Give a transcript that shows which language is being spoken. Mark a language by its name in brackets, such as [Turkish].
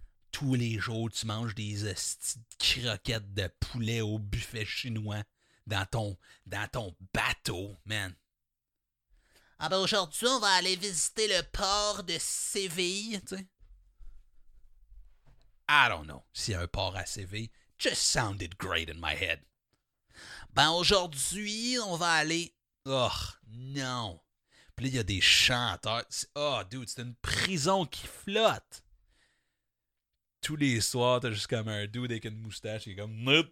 [French] Tous les jours, tu manges des croquettes de poulet au buffet chinois dans ton bateau, man. Ah ben aujourd'hui, on va aller visiter le port de Séville, tu sais. [English] I don't know [French] s'il y a un port à Séville. [English] Just sounded great in my head. [French] Ben aujourd'hui, on va aller... Oh, non. Puis là, il y a des chanteurs. Oh, dude, c'est une prison qui flotte. tous les soirs, t'as juste comme un dude avec une moustache qui est comme...